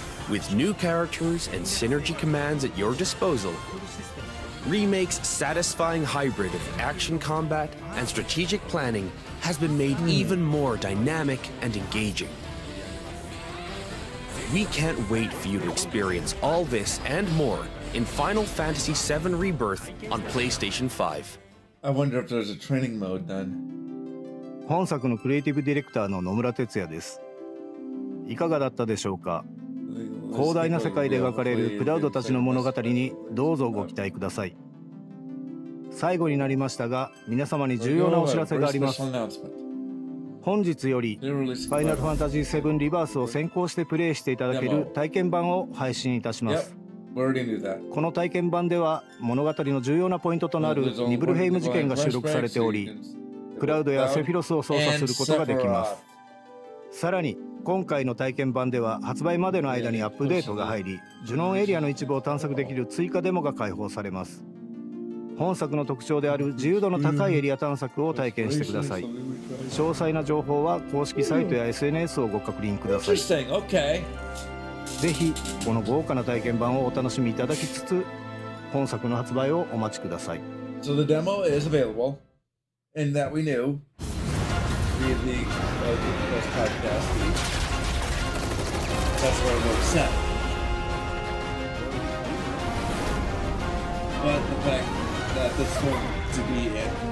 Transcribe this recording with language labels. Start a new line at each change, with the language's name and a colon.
English: With new characters and synergy commands at your disposal, Remake's satisfying hybrid of action combat and strategic planning has been made even more dynamic and engaging. We can't wait for you to experience all this and more in Final Fantasy VII Rebirth on PlayStation 5. I wonder if there's a training mode then.
Japanese: 本作のクリエイティブディレクターの野村哲也です。いかがだったでしょうか。広大な世界で描かれるクラウドたちの物語にどうぞご期待ください。最後になりましたが、皆様に重要なお知らせがあります。本日よりファイナルファンタジー7リバースを先行してプレイしていただける体験版を配信いたします。この体験版では物語の重要なポイントとなるニブルヘイム事件が収録されており、クラウドやセフィロスを操作することができます。さらに今回の体験版では発売までの間にアップデートが入り、ジュノンエリアの一部を探索できる追加デモが開放されます。本作の特徴である自由度の高いエリア探索を体験してください。詳細な情報は公式サイトや SNS をご確認ください。
English: Okay.
Japanese: ぜひこの豪華な体験版をお楽しみいただきつつ、本作の発売をお待ちください。
English: So the demo is available, and that we knew via the podcast. That's where it was set. But the fact that this is going to be it.